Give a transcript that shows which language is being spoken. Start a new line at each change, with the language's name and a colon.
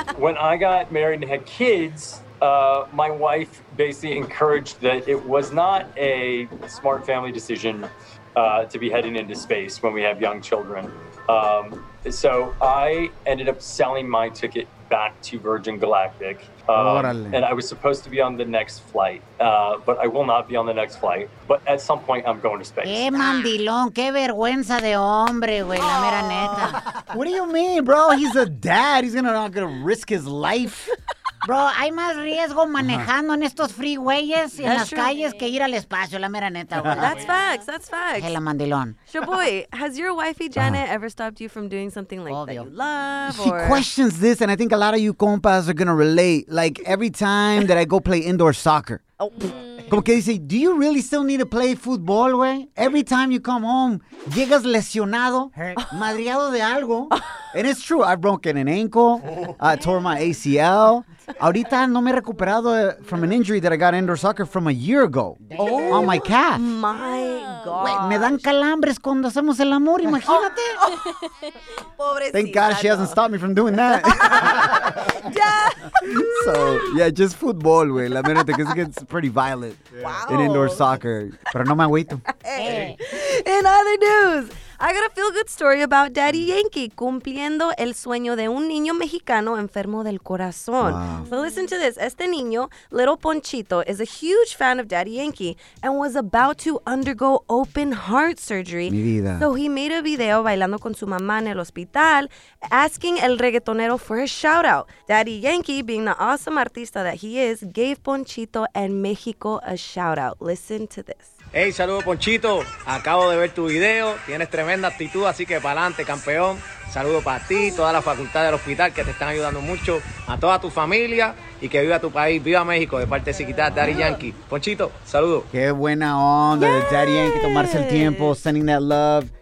English: When I got married and had kids, my wife basically encouraged that it was not a smart family decision to be heading into space when we have young children. So I ended up selling my ticket back to Virgin Galactic. And I was supposed to be on the next flight, but I will not be on the next flight. But at some point, I'm going to space.
Spanish: Qué mandilón, qué vergüenza de hombre, güey, la mera neta.
English: What do you mean, bro? He's a dad. He's not going to risk his life.
Spanish: Bro, hay más riesgo manejando en estos freeways y en las calles que ir al espacio, la mera neta, güey.
English: That's facts, that's facts.
Spanish: Hela mandilón.
English: Shaboy, has your wifey Janet ever stopped you from doing something like that you love? She questions this, and I think a lot of you compas are going to relate. Like, every time that I go play indoor soccer.
Spanish: Como que dice,
English: do you really still need to play football, güey? Every time you come home,
Spanish: llegas lesionado, madriado de algo.
English: And it's true, I've broken an ankle, I tore my ACL.
Spanish: Ahorita no me he recuperado
English: from an injury that I got indoor soccer from a year ago. Oh, on my calf. My God.
Spanish: Me dan calambres cuando hacemos el amor, imagínate. Oh. Pobrecita.
English: Thank God she hasn't stopped me from doing that. So, yeah, just football, güey.
Spanish: La verdad es que
English: it's pretty violent in indoor soccer.
Spanish: Pero no me agüito.
English: In other news, I got a feel-good story about Daddy Yankee
Spanish: cumpliendo el sueño de un niño mexicano enfermo del corazón.
English: Wow. So listen to this.
Spanish: Este niño,
English: little Ponchito, is a huge fan of Daddy Yankee and was about to undergo open heart surgery.
Spanish: Mi vida.
English: So he made a video
Spanish: bailando con su mamá en el hospital,
English: asking el reggaetonero for a shout-out. Daddy Yankee, being the awesome artista that he is, gave Ponchito en México a shout-out. Listen to this.
Spanish: Hey, saludo Ponchito. Acabo de ver tu video. Tienes tremenda actitud, así que para adelante, campeón. Saludo para ti, toda la facultad del hospital que te están ayudando mucho, a toda tu familia y que viva tu país, viva México, de parte de Siquita, Daddy Yankee. Ponchito, saludo. Qué buena onda de Daddy Yankee tomarse el tiempo,
English: sending that love.